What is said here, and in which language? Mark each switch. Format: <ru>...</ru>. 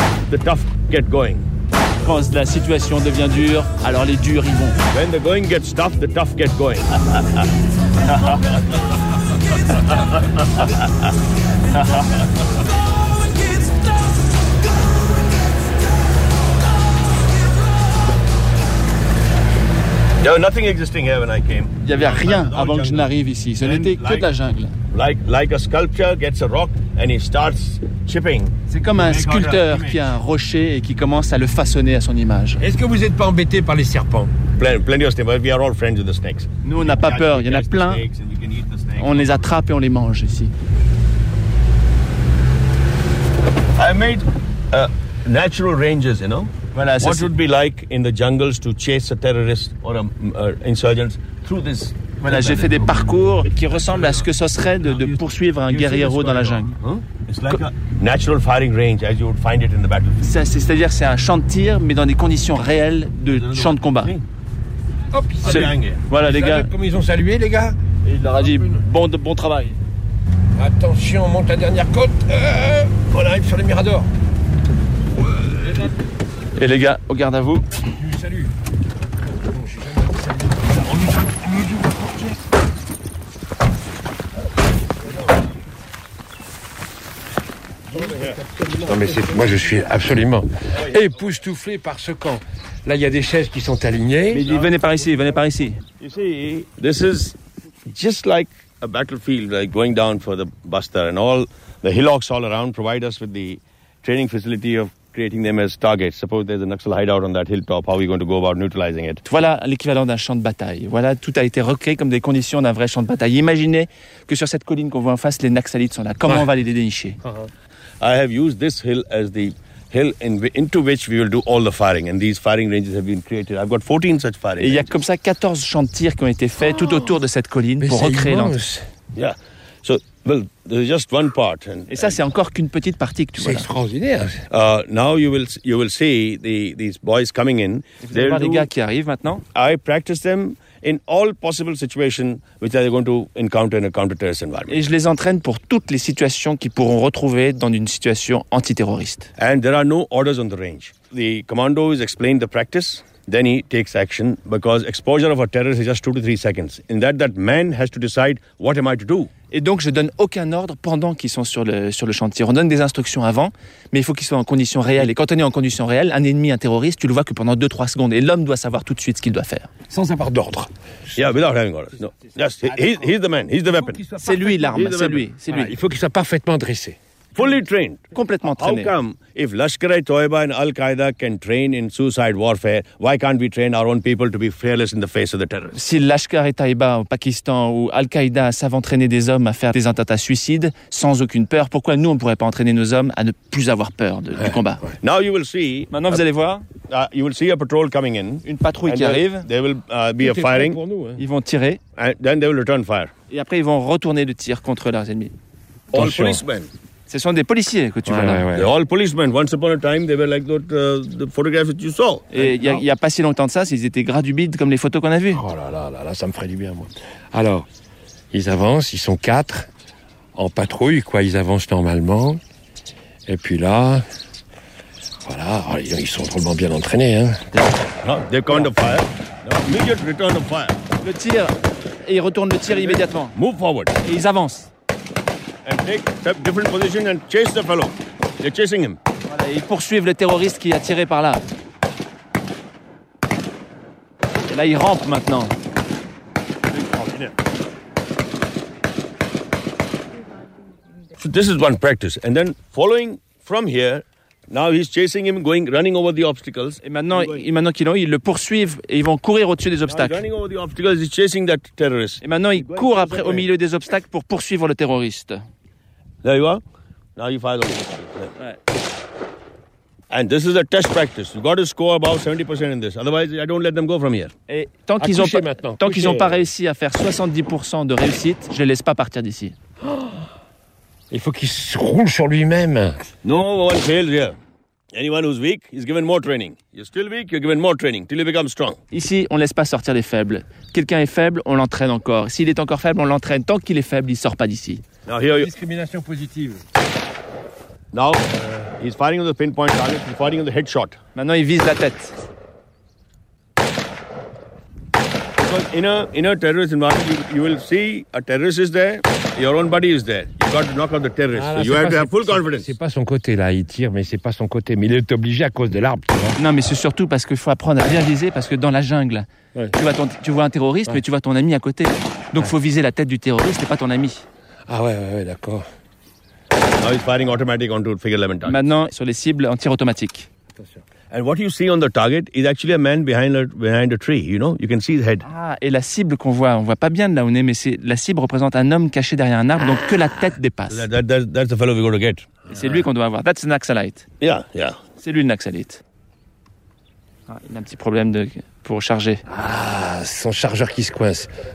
<en>The tough get going.</en> <fr>Quand la situation devient dure, alors les durs y vont.</fr> <en>When the going gets tough, the tough get going. There was nothing existing here when I came.</en> <fr>Il n'y avait rien avant que je n'arrive ici. Ce n'était que de la jungle.</fr> <en>Like a sculpture gets a rock and he starts chipping.</en> <fr>C'est comme un sculpteur qui a un rocher et qui commence à le façonner à son image. Est-ce que vous n'êtes pas embêté par les serpents?</fr> <en>Plenty of snakes. We are all friends with the snakes.</en> <fr>Nous, on n'a pas peur. Il y en a plein. On les attrape et on les mange ici.</fr> <en>I made natural ranges, you know.</en> <fr>Voilà,</fr> <en>what would be like in the jungles to chase a terrorist or an insurgent through this?</en> <fr>Voilà, j'ai fait des parcours qui ressemblent à ce que ce serait de poursuivre un guerrier dans la jungle.</fr> <en>Natural firing range, as you would find it in the battlefield.</en> <fr>C'est-à-dire, c'est un champ de tir, mais dans des conditions réelles de champ de combat. Hop, c'est voilà les gars. Comme ils ont salué les gars. Et il leur a dit bon travail. Attention, on monte la dernière côte. On arrive sur les miradors. Et les gars, au garde à vous. Salut. Non mais c'est, moi je suis absolument époustouflé par ce camp. Là il y a des chaises qui sont alignées. Mais dis, venez par ici, venez par ici.</fr> <en>You see, this is just like a battlefield, like going down for the Buster, and all the hillocks all around provide us with the training facility of creating them as targets. Suppose there's a Naxal hideout on that hilltop, how are we going to go about neutralizing it?</en> <fr>Voilà l'équivalent d'un champ de bataille. Voilà, tout a été recréé comme des conditions d'un vrai champ de bataille. Imaginez que sur cette colline qu'on voit en face, les Naxalites sont là. Comment on va les dénicher?</fr> <en>I have used this hill as the hill into which we will do all the firing, and these firing ranges have been created. I've got 14 such firing ranges.</en> <fr>Et il y a comme ça 14 champs de tir qui ont été faits tout autour de cette colline pour recréer l'entrée.</fr> <en>Yeah. So, well, there's just one part.</en> <fr>Et ça, c'est encore qu'une petite partie que tu vois. C'est extraordinaire.</fr> <en>Now you will see these boys coming in.</en> <fr>Vous allez voir les gars qui arrivent maintenant.</fr> <en>I practice them in all possible situations which they're going to encounter in a counter-terrorist environment.</en> <fr>Et je les entraîne pour toutes les situations qu'ils pourront retrouver dans une situation antiterroriste.</fr> <en>And there are no orders on the range. The commando is explained the practice. Then he takes action because exposure of a terrorist is just 2 to 3 seconds. In that man has to decide what am I to do.</en> <fr>Et donc je donne aucun ordre pendant qu'ils sont sur le chantier. On donne des instructions avant, mais il faut qu'ils soient en condition réelle. Et quand on est en condition réelle, un ennemi, un terroriste, tu le vois que pendant 2-3 secondes. Et l'homme doit savoir tout de suite ce qu'il doit faire. Sans avoir d'ordre.</fr> <en>Yeah, without having orders. No. Yes, he's the man. He's the weapon.</en> <fr>C'est lui l'arme. C'est lui. Il faut qu'il soit parfaitement dressé.</fr> <en>Fully trained.</en> <fr>Complètement trainé.</fr> <en>How come if Lashkar-e-Toyba and Al-Qaeda can train in suicide warfare, why can't we train our own people to be fearless in the face of the terrorists?</en> <fr>Si Lashkar-e-Toyba au Pakistan ou Al-Qaeda savent entraîner des hommes à faire des attentats suicides sans aucune peur, pourquoi nous on pourrait pas entraîner nos hommes à ne plus avoir peur du combat?</fr> <en>Now you will see.</en> <fr>Maintenant vous allez voir.</fr> <en>You will see a patrol coming in.</en> <fr>Une patrouille qui arrive.</fr> <en>There will be a firing.</en> <fr>Ils vont tirer.</fr> <en>And then they will return fire.</en> <fr>Et après ils vont retourner le tir contre leurs ennemis.</fr> <en>All policemen.</en> <fr>Ce sont des policiers que tu vois là.</fr> <en>They're all policemen. Once upon a time, they were like that, the photographs that you saw.</en> <fr>Et il n'y a pas si longtemps de ça, ils étaient gras du bide comme les photos qu'on a vues. Oh là là, là, là, ça me ferait du bien, moi. Alors, ils avancent, ils sont quatre, en patrouille, quoi. Ils avancent normalement. Et puis là, voilà, ils sont drôlement bien entraînés, hein.</fr> <en>They count the fire. Immediate return of fire.</en> <fr>Le tir, et ils retournent le tir immédiatement.</fr> <en>Move forward.</en> <fr>Et ils avancent.</fr> <en>And take different positions and chase the fellow. They're chasing him.</en> <fr>Voilà, ils poursuivent le terroriste qui a tiré par là. Et là, il rampe maintenant.</fr> <en>So this is one practice. And then following from here, now he's chasing him, going running over the obstacles.</en> <fr>Et maintenant, ils le poursuivent et ils vont courir au-dessus des obstacles.</fr> <en>Running over the obstacles, he's chasing that terrorist.</en> <fr>Et maintenant, il court après au milieu des obstacles pour poursuivre le terroriste.</fr> <en>There you are. Now you fire on this. And this is a test practice. You've got to score about 70% in this. Otherwise, I don't let them go from here.</en> <fr>Et tant qu'ils n'ont pas réussi à faire 70% de réussite, je ne les laisse pas partir d'ici. Il faut qu'ils se roulent sur lui-même.</fr> <en>No one fails here. Anyone who's weak is given more training. You're still weak, you're given more training till you become strong.</en> <fr>Ici, on ne laisse pas sortir les faibles. Quelqu'un est faible, on l'entraîne encore. S'il est encore faible, on l'entraîne. Tant qu'il est faible, il ne sort pas d'ici.</fr> <en>Now here, discrimination positive. Now he's firing on the pinpoint target. He's firing on the headshot.</en> <fr>Maintenant il vise la tête.</fr> <en>Because in a terrorist environment, you will see a terrorist is there, your own buddy is there. You've got to knock out the terrorist.</en> <fr>Ah, là,</fr> <en>so you have to have full confidence.</en> <fr>C'est pas son côté là, il tire, mais c'est pas son côté. Mais il est obligé à cause de l'arbre. Tu vois. Non, mais c'est surtout parce qu'il faut apprendre à bien viser, parce que dans la jungle, tu vois un terroriste, mais tu vois ton ami à côté. Donc faut viser la tête du terroriste, et pas ton ami. Ah ouais, d'accord.</fr> <en>Now he's firing automatic onto figure 11 target.</en> <fr>Maintenant, sur les cibles en tir automatique. Attention.</fr> <en>And what you see on the target is actually a man behind a tree, you know? You can see his head.</en> <fr>Ah, et la cible qu'on voit, on voit pas bien de là où on est, mais la cible représente un homme caché derrière un arbre, donc que la tête dépasse.</fr> <en>That's the fellow we're going to get.</en> <fr>Et c'est lui qu'on doit avoir.</fr> <en>That's the Naxalite. Yeah, yeah.</en> <fr>C'est lui le Naxalite. Ah, il a un petit problème pour charger. Ah, son chargeur qui se coince.</fr>